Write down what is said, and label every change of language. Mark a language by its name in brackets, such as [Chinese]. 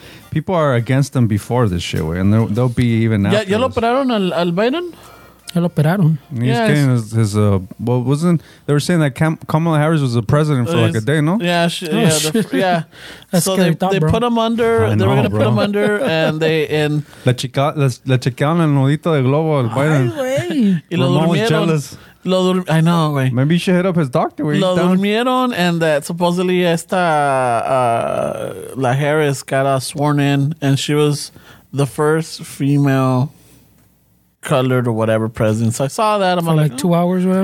[English] People are against them before this shit, way, and they'll be even after. [Spanish] Ya lo operaron al Biden? Ya lo operaron. [English] He's getting they were saying that Kamala Harris was the president for like a day, no? Yeah. That's so scary they put him under, put him under, and they, and... [Spanish] Le chequearon el nudito de globo al Biden. Ay, güey. Y lo durmieron. [English] I know, [Spanish] güey. [English] Maybe you should hit up his doctor. [Spanish] Lo durmieron, [English] and that supposedly esta La Harris got sworn in, and she was the first female colored or whatever president. So I saw that. I'm for like 2 hours, right?